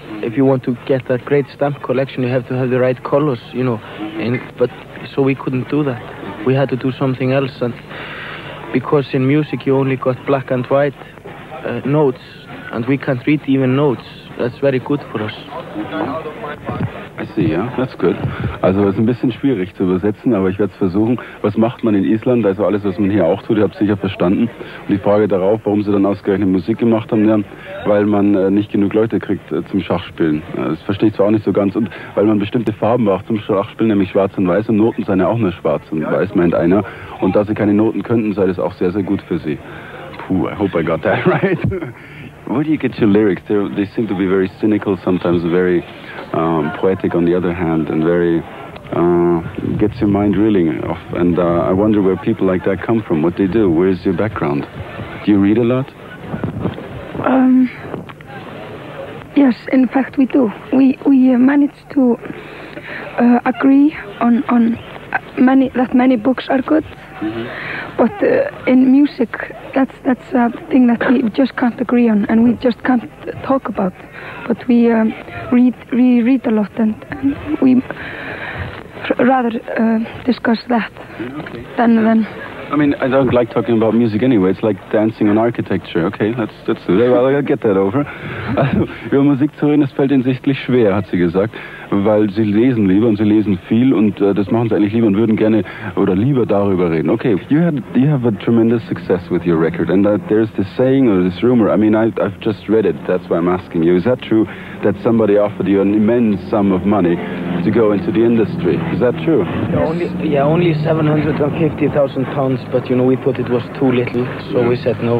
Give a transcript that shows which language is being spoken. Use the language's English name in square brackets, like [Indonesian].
[English] If you want to get a great stamp collection, you have to have the right colors, you know. But so we couldn't do that. We had to do something else. And because in music you only got black and white notes, and we can't read even notes. That's very good for us. I see, yeah, that's good. [German] Also es ist ein bisschen schwierig zu übersetzen, aber ich werde es versuchen. Was macht man in Island? Also alles, was man hier auch tut, ich habe es sicher verstanden. Und die Frage darauf, warum sie dann ausgerechnet Musik gemacht haben, ja, weil man nicht genug Leute kriegt zum Schachspielen. Das verstehe ich zwar auch nicht so ganz. Und weil man bestimmte Farben braucht zum Schachspielen, nämlich schwarz und weiß. Und Noten seien ja auch nur schwarz und weiß, meint einer. Und da sie keine Noten könnten, sei das auch sehr, sehr gut für sie. [English] Puh, I hope I got that right. Where do you get your lyrics? They seem to be very cynical sometimes, very poetic on the other hand, and very gets your mind reeling off. And I wonder where people like that come from, what they do, where is your background? Do you read a lot? Yes, in fact we do. We manage to agree on many, that many books are good. Mm-hmm. But in music, that's a thing that we just can't agree on, and we just can't talk about. But we read a lot, and we rather discuss that than. I mean, I don't like talking about music anyway. It's like dancing on architecture. Okay, that's good. Well, I'll get that over. [German] Also, über Musik zu reden, das fällt ihnen sichtlich schwer, hat sie gesagt, weil sie lesen lieber und sie lesen viel und das machen sie eigentlich lieber und würden gerne oder lieber darüber reden. [English] Okay, you have a tremendous success with your record, and there's this saying or this rumor. I mean, I've just read it. That's why I'm asking you. Is that true that somebody offered you an immense sum of money to go into the industry? Is that true? Only 750,000 pounds, but you know, we thought it was too little, so yeah. We said no.